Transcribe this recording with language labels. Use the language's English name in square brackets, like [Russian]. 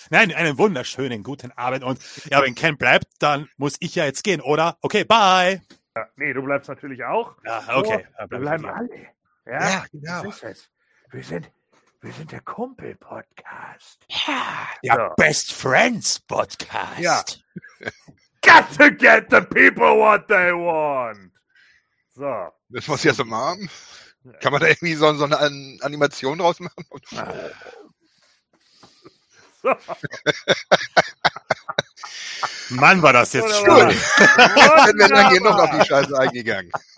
[German] Nein, einen wunderschönen guten Abend. Und ja, wenn Ken bleibt, dann muss ich ja jetzt gehen, oder? [English] Okay, bye. Ja, [German] nee, du bleibst natürlich auch. Ja, okay. Wir bleiben alle. Ja, genau. Was ist es? Wir sind der Kumpel-Podcast. Ja, der Best Friends-Podcast. Ja. [English] Got to get the people what they want. [German] So. Das muss ich jetzt mal haben. Kann man da irgendwie so eine Animation draus machen? Mann, war das jetzt schön. Wir sind dann hier noch auf die Scheiße eingegangen.